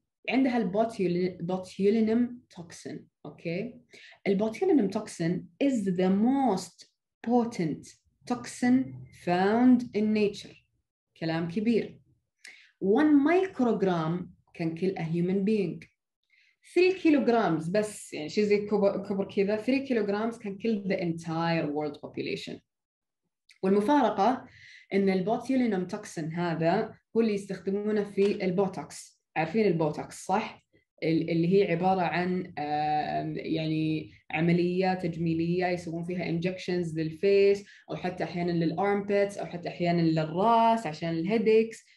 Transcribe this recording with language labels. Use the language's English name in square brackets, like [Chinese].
[Arabic] عندها البوتيولينم توكسين. اوكي البوتيولينم توكسين [English] is the most potent toxin found in nature. [Arabic] كلام كبير. [English] 1 microgram can kill a human being. 3 kilograms [Arabic] بس يعني شيء زي كبر كذا، [English] 3 kilograms can kill the entire world population. [Arabic] والمفارقه إن البوتيولينوم توكسين هذا هو اللي يستخدمونه في البوتوكس. عارفين البوتوكس صح؟ اللي هي عبارة عن يعني عملية تجميلية يسوون فيها injections للفيس أو حتى أحياناً للأرمبتس أو حتى أحياناً للرأس عشان الهيديكس.